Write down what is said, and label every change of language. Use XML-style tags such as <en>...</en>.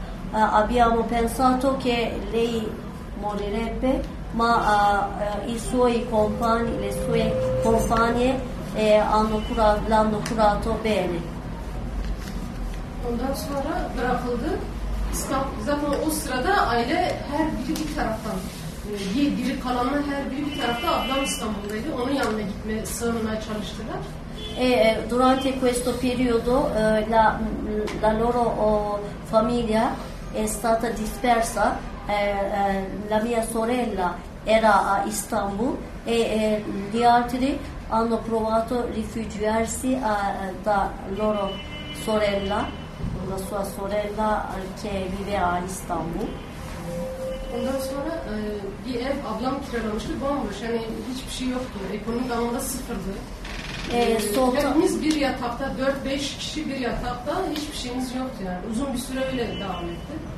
<it>abbiamo pensato che lei morirebbe, ma i suoi compagni, le sue compagne l'hanno curato bene.</it> <tr>Ondan sonra bırakıldı. Zaten o sırada aile her biri bir taraftan, geri kalanlar her biri bir tarafta, ablam İstanbul'daydı. Onun yanına gitmeye, sığınmaya çalıştılar.</tr> <it>Durante questo periodo la loro famiglia è stata dispersa, la mia sorella era a Istanbul e gli altri hanno provato a rifugiarsi da loro sorella, la sua sorella che vive a Istanbul.</it> <tr>Ondan sonra bir ev ablam kiralamıştı, bomboş, yani hiçbir şey yoktu, ekonomik anlamda sıfırdı. Hepimiz bir yatakta, 4-5 kişi bir yatakta, hiçbir şeyimiz yoktu yani, uzun bir süre öyle devam etti.</tr>